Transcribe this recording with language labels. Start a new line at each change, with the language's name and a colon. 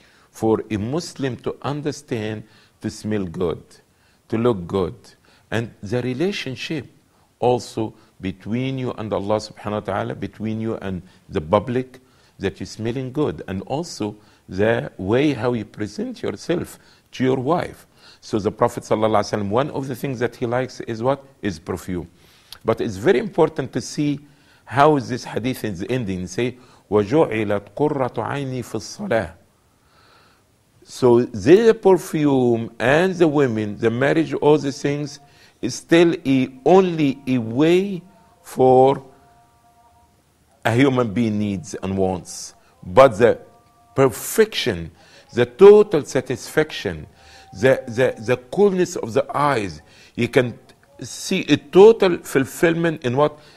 English: For a Muslim to understand, to smell good, to look good, and the relationship also between you and Allah subhanahu wa ta'ala, between you and the public, that you're smelling good, and also the way how you present yourself to your wife. So the Prophet sallallahu alaihi wasallam, one of the things that he likes is what? Is perfume. But it's very important to see how this hadith is ending.
Arabic: Say, وَجُعِلَتْ قُرَّةُ عَيْنِي فِي الصَّلَاةِ.
English: So the perfume and the women, the marriage, all these things, is still only a way for a human being needs and wants. But the perfection, the total satisfaction, the coolness of the eyes, you can see a total fulfillment in what?